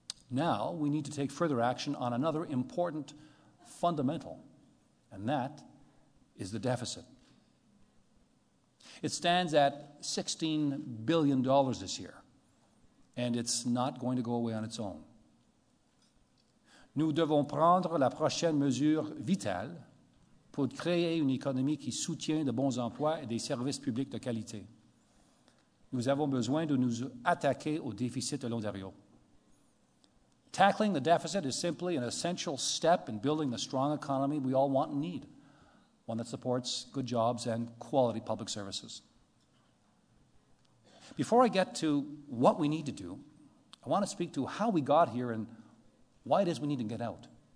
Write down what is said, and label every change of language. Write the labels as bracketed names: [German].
[English] Now we need to take further action on another important fundamental, and that is the deficit. It stands at $16 billion this year, and it's not going to go away on its own. [French] Nous devons prendre la prochaine mesure vitale pour créer une économie qui soutient de bons emplois et des services publics de qualité. Nous avons besoin de nous attaquer au déficit de l'Ontario. [English] Tackling the deficit is simply an essential step in building the strong economy we all want and need, one that supports good jobs and quality public services. Before I get to what we need to do, I want to speak to how we got here and why it is we need to get out.